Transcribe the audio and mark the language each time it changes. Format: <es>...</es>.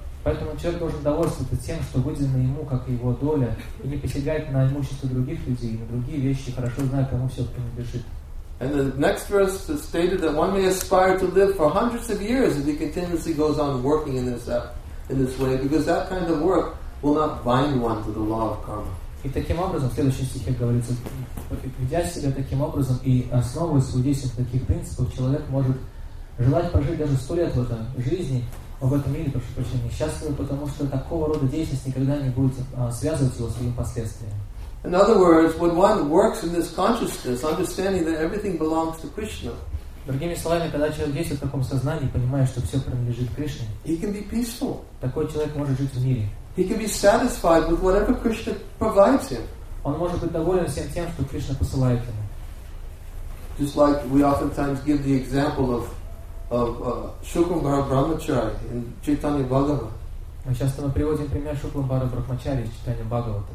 <ru>Поэтому человек должен довольствоваться тем, что выделено ему, как и его доля, и не посягать на имущество других людей, на другие вещи, хорошо зная, кому все принадлежит.</ru> <en>And the next verse stated that one may aspire to live for hundreds of years if he continuously goes on working in this way, because that kind of work will not bind one to the law of karma.</en> <ru>И таким образом, в следующем стихе говорится, ведя себя таким образом и основываясь в действиях таких принципов, человек может желать прожить даже 100 лет в этом жизни, в этом мире, прошу прощения, счастливым, потому что такого рода деятельность никогда не будет связывать его с своим последствием.</ru> <en>In other words, when one works in this consciousness, understanding that everything belongs to Krishna,</en> <ru>другими словами, когда человек действует в таком сознании, понимая, что все принадлежит Кришне,</ru> <en>he can be peaceful.</en> <ru>Такой человек может жить в мире.</ru> <en>He can be satisfied with whatever Krishna provides him.</en> <ru>Он может быть доволен всем тем, что Кришна посылает ему.</ru> <en>Just like we oftentimes give the example of Shukumbhara Brahmachari in Chaitanya Bhagavata.</en> <ru>Мы часто приводим пример Шукамбара Брахмачари из читания Бхагавата.</ru>